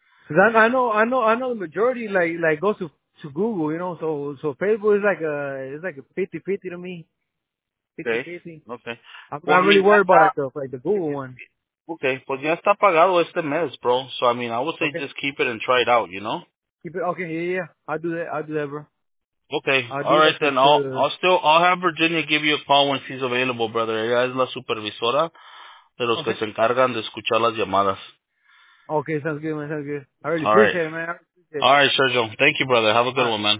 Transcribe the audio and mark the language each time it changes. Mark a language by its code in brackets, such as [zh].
[en] I know the majority like goes to Google, you know, so Facebook is like a 50-50 to me. 50-50. Okay. I'm not really worried about the Google one. [es] Okay, pues ya está pagado este mes, bro. [en] So, I mean, I would say just keep it and try it out, you know? Keep it, okay, yeah, I'll do that, bro. Okay, all right, then, I'll have Virginia give you a call when she's available, brother. [es] Ella es la supervisora de los que se encargan de escuchar las llamadas. [en] Okay, sounds good. I really appreciate it, man. All right, Sergio, thank you, brother. Have a good one, man.